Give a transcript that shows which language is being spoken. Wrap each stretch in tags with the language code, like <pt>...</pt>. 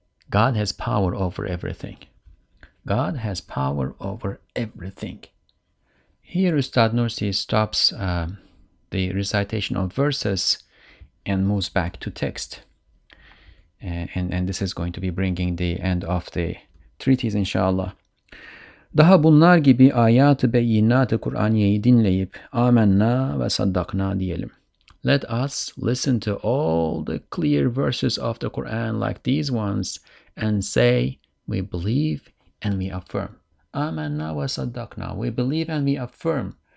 <en>God has power over everything. God has power over everything. Here Ustad Nursi stops the recitation of verses and moves back to text. And this is going to be bringing the end of the treatise, inshallah.</en> <tr>Daha bunlar gibi ayatı beyinatı Kur'aniyeyi dinleyip amenna ve saddakna diyelim.</tr> <en>Let us listen to all the clear verses of the Quran like these ones and say, we believe and we affirm.</en> <ar>Amanna wa saddaqna.</ar> <en>We believe and we affirm.</en>